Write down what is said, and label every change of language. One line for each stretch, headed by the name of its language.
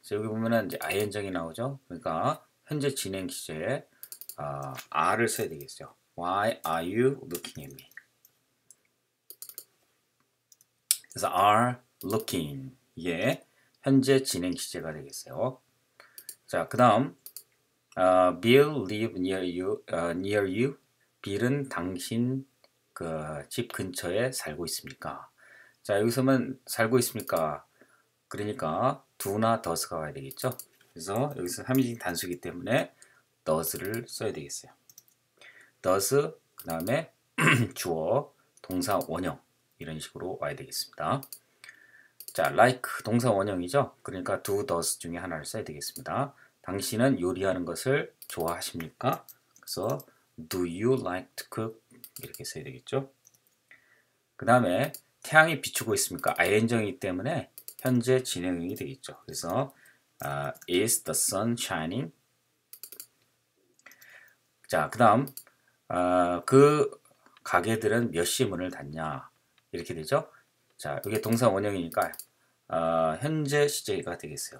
Korean: 여기 보면은 이제 아이언정이 나오죠? 그러니까 현재 진행 시제에 are를 써야 되겠어요.
English: Why are you looking at me?
Korean: 그래서
English: are looking
Korean: 이게 현재 진행 시제가 되겠어요. 자, 그 다음
English: Bill live near you?
Korean: Bill은 당신 그 집 근처에 살고 있습니까? 자, 여기서만 살고 있습니까? 그러니까 do나 does가 와야 되겠죠? 그래서 여기서 3인칭 단수이기 때문에 does를 써야 되겠어요. does, 그 다음에 주어, 동사 원형 이런 식으로 와야 되겠습니다. 자, like 동사 원형이죠. 그러니까 do, does 중에 하나를 써야 되겠습니다. 당신은 요리하는 것을 좋아하십니까? 그래서
English: do you like to cook?
Korean: 이렇게 써야 되겠죠. 그 다음에 태양이 비추고 있습니까? ing이기 때문에 현재 진행형이 되겠죠. 그래서
English: is the sun shining?
Korean: 자, 그 다음 그 가게들은 몇 시 문을 닫냐? 이렇게 되죠. 자, 이게 동사 원형이니까 현재 시제가 되겠어요.